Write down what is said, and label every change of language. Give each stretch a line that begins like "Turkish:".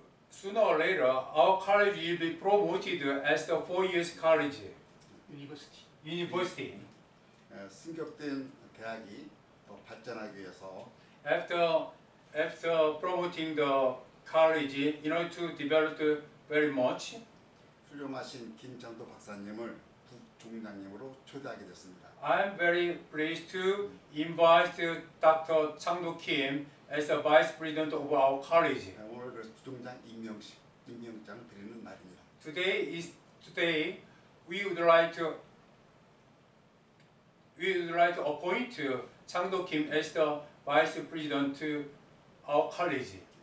English: Sooner or later, our college will be promoted as the 4-year college. University. University.
Korean: 승격된 대학이 더 발전하기 위해서
English: After promoting the college, in order to develop very much,
Korean: 훌륭하신 김정도 박사님을 부총장님으로 초대하게 됐습니다.
English: I am very pleased to invite Dr. Changdo Kim as the Vice President of our college.
Korean: 오늘 그래서 부총장 임명장 드리는 날입니다.
English: Today, we would like to appoint Changdo Kim as the Vice President to our college.